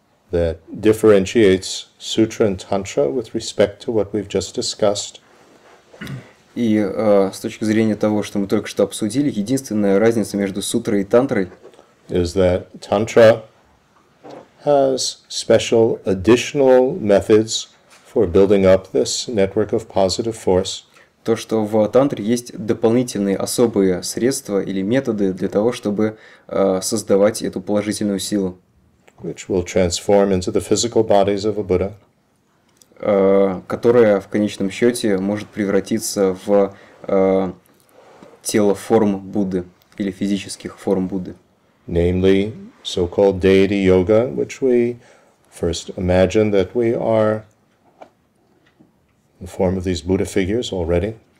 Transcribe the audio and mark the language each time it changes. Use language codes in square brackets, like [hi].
[en] that differentiates Sutra and Tantra with respect to what we've just discussed. [ru] И с точки зрения того, что мы только что обсудили, единственная разница между сутрой и тантрой [en] is that Tantra has special additional methods for building up this network of positive force. [ru] То, что в тантре есть дополнительные особые средства или методы для того, чтобы создавать эту положительную силу. [en] Which will transform into the physical bodies of a Buddha. [ru] Которая в конечном счете может превратиться в тело форм Будды или физических форм Будды. [en] Namely, so-called deity yoga, which we first imagine that we are in the form of these Buddha figures already.